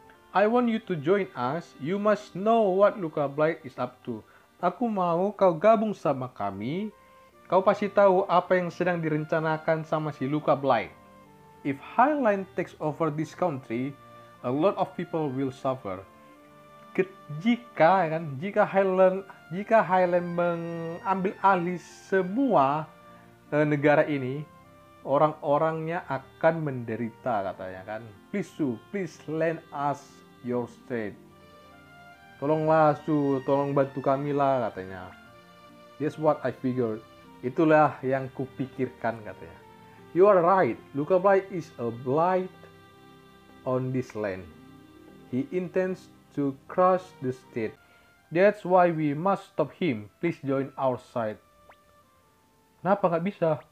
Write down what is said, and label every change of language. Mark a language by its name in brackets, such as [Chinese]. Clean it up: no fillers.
[English] I want you to join us. You must know what Luca Blight is up to. [Indonesian] Aku mau kau gabung sama kami. Kau pasti tahu apa yang sedang direncanakan sama si Luca Blight. [English] If Highline takes over this country, a lot of people will suffer. [Indonesian] Jika Highline mengambil alih semua negara ini, orang-orangnya akan menderita, katanya kan. [English] Please, Su, please lend us your strength. [Indonesian] Tolonglah, Su, tolong bantu kami lah, katanya. [English] That's what I figured. [Indonesian] Itulah yang kupikirkan, katanya. [English] You are right. Luca Blight is a blight on this land. He intends to crush the state. That's why we must stop him. Please join our side. [Indonesian] Kenapa nggak bisa?